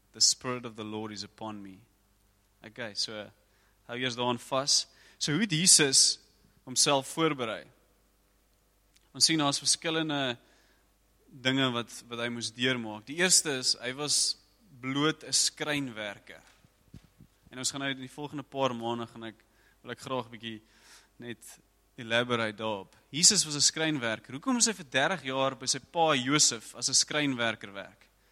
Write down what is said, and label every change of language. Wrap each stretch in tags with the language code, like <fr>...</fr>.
<en>The Spirit of the Lord is upon me.</en> <af>Okay, so, hou eers daarin vas. So, hoe het Jesus homself voorberei? Ons sien, daar is verskillende dinge wat hy moes deurmaak. Die eerste is, hy was bloot 'n skrynwerker. En ons gaan nou in die volgende paar maande gaan ek wil ek graag bietjie net elaborate daarop. Jesus was 'n skrynwerker. Hoekom moes hy vir 30 jaar by sy pa Josef as 'n skrynwerker werk?</af>